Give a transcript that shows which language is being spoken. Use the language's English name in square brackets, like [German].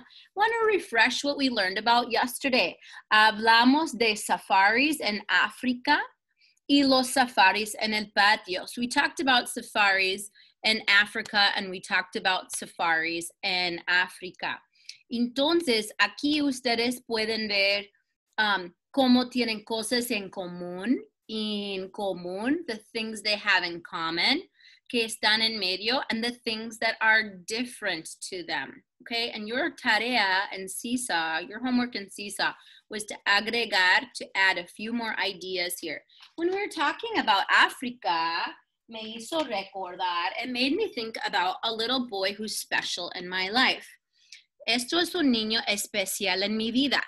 [English] I want to refresh what we learned about yesterday. [Spanish] Hablamos de safaris en África y los safaris en el patio. [English] So, we talked about safaris in Africa, and we talked about safaris in Africa. [Spanish] Entonces, aquí ustedes pueden ver cómo tienen cosas en común, [English] the things they have in common, [Spanish] que están en medio, [English] and the things that are different to them, okay? And your tarea in CISA, your homework in CISA, was to agregar, to add a few more ideas here. When we're talking about Africa, [Spanish] me hizo recordar, [English] it made me think about a little boy who's special in my life. [Spanish] Esto es un niño especial en mi vida.